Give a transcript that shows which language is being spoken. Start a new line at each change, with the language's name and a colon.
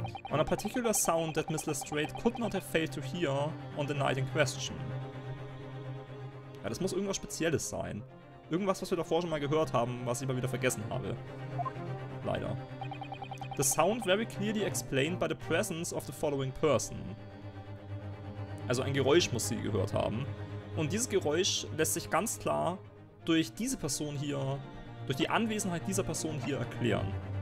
English: On a particular sound that Miss Lestrade could not have failed to hear on the night in question.
German: Ja, das muss irgendwas Spezielles sein. Irgendwas, was wir davor schon mal gehört haben, was ich mal wieder vergessen habe. Leider.
English: The sound very clearly explained by the presence of the following person.
German: Also ein Geräusch muss sie gehört haben. Und dieses Geräusch lässt sich ganz klar durch diese Person hier, durch die Anwesenheit dieser Person hier erklären.